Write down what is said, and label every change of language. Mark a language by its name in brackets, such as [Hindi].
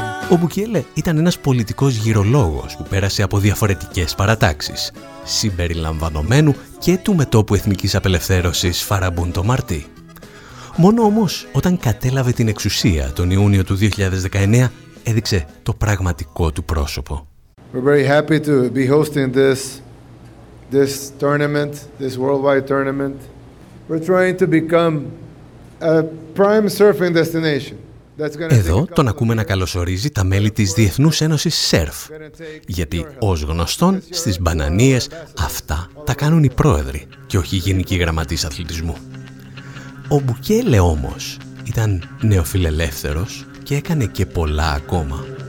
[Greek] Ο Μπουκέλε ήταν ένας πολιτικός γυρολόγος που πέρασε από διαφορετικές παρατάξεις, συμπεριλαμβανομένου και του Μετόπου Εθνικής Απελευθέρωσης Φαραμπούντο Μαρτί. Μόνο όμως όταν κατέλαβε την εξουσία τον Ιούνιο του 2019 έδειξε το πραγματικό του πρόσωπο. [English] We're very happy to be hosting this tournament, this worldwide tournament. We're trying to become a prime surfing destination. [Greek] Εδώ τον ακούμε να καλωσορίζει τα μέλη της Διεθνούς Ένωσης ΣΕΡΦ, γιατί ως γνωστόν στις μπανανίες αυτά τα κάνουν οι πρόεδροι και όχι οι γενικοί γραμματείς αθλητισμού. Ο Μπουκέλε όμως ήταν νεοφιλελεύθερος και έκανε και πολλά ακόμα.